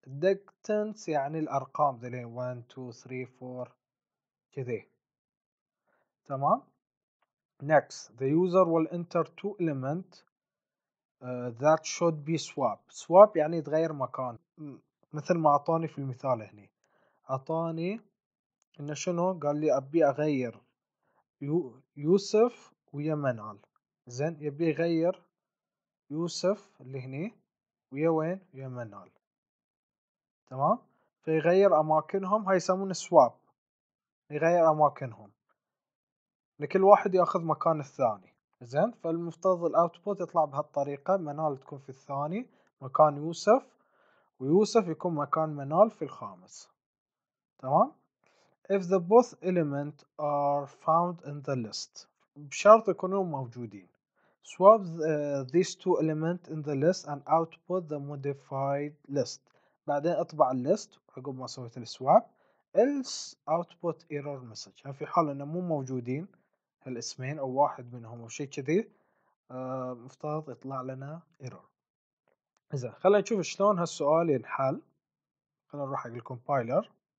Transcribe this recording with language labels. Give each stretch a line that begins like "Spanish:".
Arabic: Inductance يعني الأرقام ذي 1 2 3 4 كذي. تمام.
English: Next, the user will enter 2 elements that should be swapped.
Arabic: Swap يعني يتغير مكان، مثل ما أعطاني في المثال هنا. أعطاني إنه شنو؟ قال لي أبي أغير يوسف ويا منال. زين، يبي يغير يوسف اللي هنا ويا وين؟ ويا منال. تمام؟ فيغير أماكنهم، هاي يسمون سواب، يغير أماكنهم لكل واحد يأخذ مكان الثاني. زين، فالمفترض الأوتبوت يطلع بهالطريقة، منال تكون في الثاني مكان يوسف، ويوسف يكون مكان منال في الخامس. تمام؟
English: If the both elements are found in the list،
Arabic: بشرط يكونوا موجودين.
English: Swap these two elements in the list and output the modified list.
Arabic: بعدين اطبع الليست عقب ما سويت السواب.
English: Else output error message.
Arabic: يعني في حال انه مو موجودين هالاسمين او واحد منهم او شيء كذي، مفترض يطلع لنا error. اذا خلينا نشوف شلون هالسؤال ينحل. خلينا نروح حق الكومبايلر.